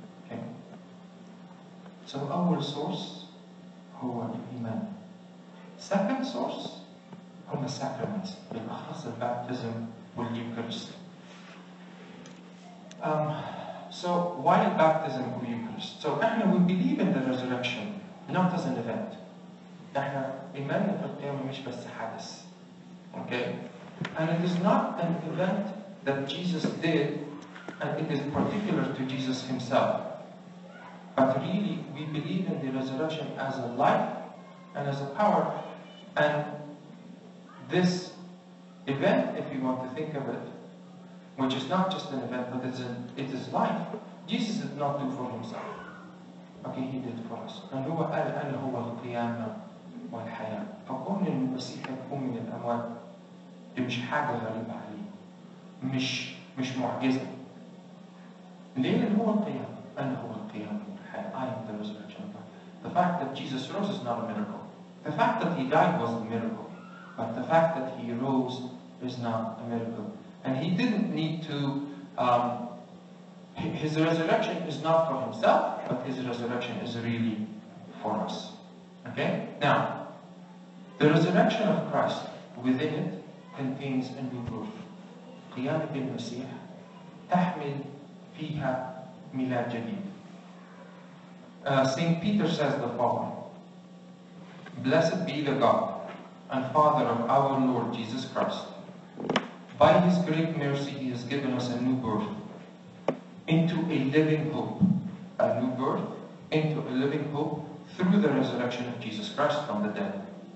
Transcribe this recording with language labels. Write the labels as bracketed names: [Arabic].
[English] Okay. So our source [Arabic] هو الإيمان [English] Second source هم sacraments بالأخص the baptism and the Eucharist. So why baptism and the Eucharist? So إحنا we believe in the resurrection, not as an event. [Arabic] إحنا إيماننا في القيامة مش بس حدث. [English] Okay? And it is not an event that Jesus did, and it is particular to Jesus himself. But really, we believe in the resurrection as a life and as a power. And this event, if you want to think of it, which is not just an event, but it is life, Jesus did not do for himself. Okay, he did for us. [Arabic] And هو قال أنه هو القيامة والحياة. فقوم للمسيح يقوم من الأموات. دي مش حاجة غريبة عليه. مش معجزة. ليه هو القيامة؟ أنا هو القيامة. [English] I am the resurrection. The fact that Jesus rose is not a miracle. The fact that he died was a miracle. But the fact that he rose is not a miracle. And he didn't need to... his resurrection is not for himself, but his resurrection is really for us. Okay? Now, the resurrection of Christ within it contains a new birth. [Arabic] قيامة المسيح تحمل فيها ميلاد جديد. [English] St. Peter says the following. Blessed be the God and Father of our Lord Jesus Christ. By His great mercy He has given us a new birth into a living hope. A new birth into a living hope through the resurrection of Jesus Christ from the dead.